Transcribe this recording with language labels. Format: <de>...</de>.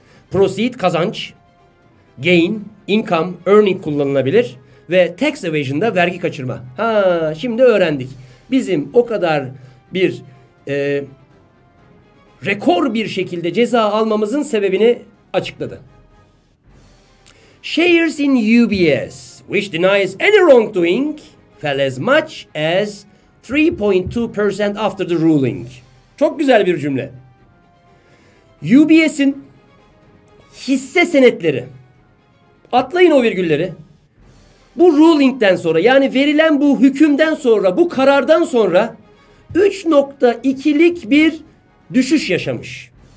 <en>Proceed, kazanç. Gain, income, earning kullanılabilir.</en> <tr>Ve tax evasion'da vergi kaçırma. Ha, şimdi öğrendik. Bizim o kadar bir rekor bir şekilde ceza almamızın sebebini açıkladı.</tr> <en>Shares in UBS, which denies any wrongdoing, fell as much as 3.2% after the ruling.</en> <tr>Çok güzel bir cümle. UBS'in hisse senetleri, atlayın o virgülleri, bu ruling'den sonra, yani verilen bu hükümden sonra, bu karardan sonra 3.2'lik bir düşüş yaşamış.</tr>